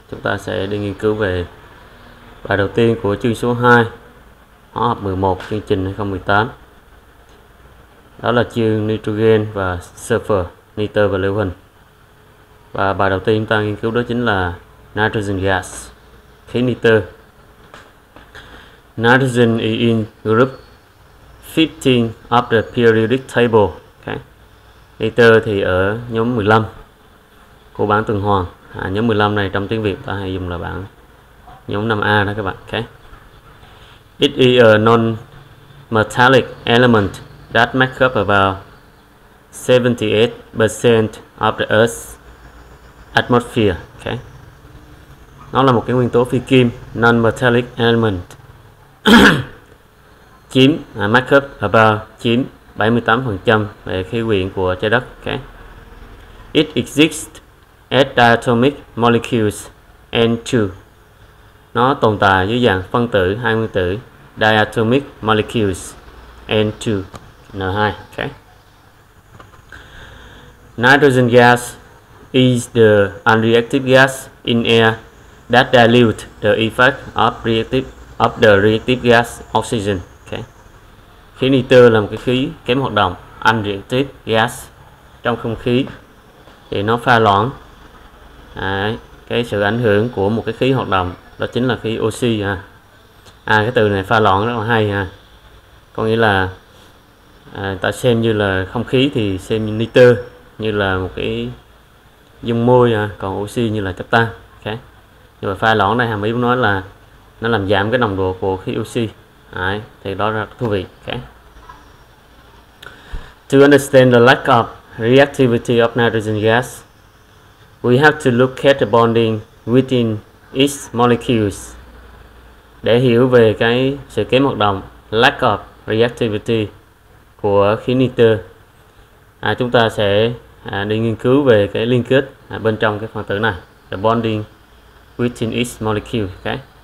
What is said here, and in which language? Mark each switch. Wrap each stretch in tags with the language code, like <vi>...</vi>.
<vi>Chúng ta sẽ đi nghiên cứu về bài đầu tiên của chương số 2, hóa học 11 chương trình 2018. Đó là chương nitrogen và sulfur, nitơ và lưu huỳnh. Và bài đầu tiên chúng ta nghiên cứu đó chính là nitrogen gas, khí nitơ.</vi> <en>Nitrogen is in group 15 of the periodic table. Okay.</en> <vi>Nitơ thì ở nhóm 15 của bảng tuần hoàn. À, nhóm 15 này trong tiếng Việt ta hay dùng là bảng nhóm 5A đó các bạn. Okay.</vi> <en>It is a non-metallic element that makes up about 78% of the Earth's atmosphere. Okay.</en> <vi>Nó là một cái nguyên tố phi kim,</vi> <en>non-metallic element.</en> <vi>Chiếm</vi> <en>make up about</en> <vi>78% về khí quyển của trái đất. Okay.</vi> <en>It exists as diatomic molecules N2.</en> <vi>Nó tồn tại dưới dạng phân tử hai nguyên tử</vi> <en>diatomic molecules</en> <vi>N2 N2. Okay.</vi> <en>Nitrogen gas is the unreactive gas in air that dilute the effect of the reactive gas oxygen.</en> <vi>Khí nitơ là một cái khí kém hoạt động,</vi> <en>unreactive gas</en> <vi>trong không khí, thì nó pha loãng cái sự ảnh hưởng của một cái khí hoạt động, đó chính là khí oxy. Cái từ này pha loãng rất là hay ha, có nghĩa là ta xem như là không khí thì xem như nitơ như là một cái dung môi, còn oxy như là chất tan. Okay. Nhưng mà pha loãng đây hàm ý muốn nói là nó làm giảm cái nồng độ của khí oxy. Đấy, thì đó rất thú vị. Okay.</vi> <en>To understand the lack of reactivity of nitrogen gas, we have to look at the bonding within each molecules.</en> <vi>Để hiểu về cái sự kém hoạt động,</vi> <en>lack of reactivity</en> <vi>của khí nitơ, chúng ta sẽ đi nghiên cứu về cái liên kết bên trong cái phân tử này,</vi> <en>the bonding within each molecule. Okay.</en>